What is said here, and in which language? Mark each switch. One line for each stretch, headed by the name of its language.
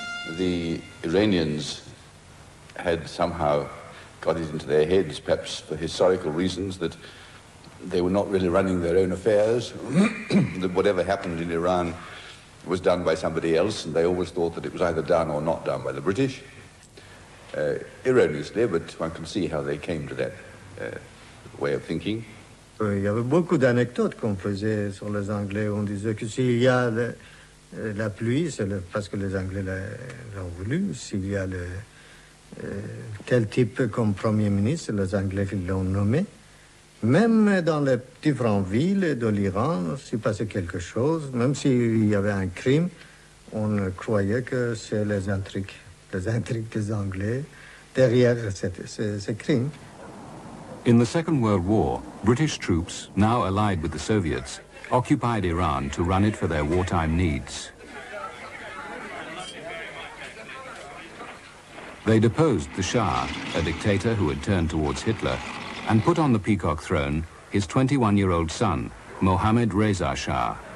English: The Iranians had somehow got it into their heads, perhaps for historical reasons, that they were not really running their own affairs, that whatever happened in Iran was done by somebody else, and they always thought that it was either done or not done by the British. Erroneously, but one can see how they came to that way of thinking.
French: Il y avait beaucoup d'anecdotes qu'on faisait sur les Anglais. On disait que s'il y a la pluie, c'est parce que les Anglais l'ont voulu. S'il y a tel type comme premier ministre, les Anglais l'ont nommé. Même dans les différentes villes de l'Iran, s'il passait quelque chose, même s'il y avait un crime, on croyait que c'est les intrigues des Anglais derrière ce crime.
English: In the Second World War, British troops, now allied with the Soviets, occupied Iran to run it for their wartime needs. They deposed the Shah, a dictator who had turned towards Hitler, and put on the peacock throne his 21-year-old son, Mohammad Reza Shah.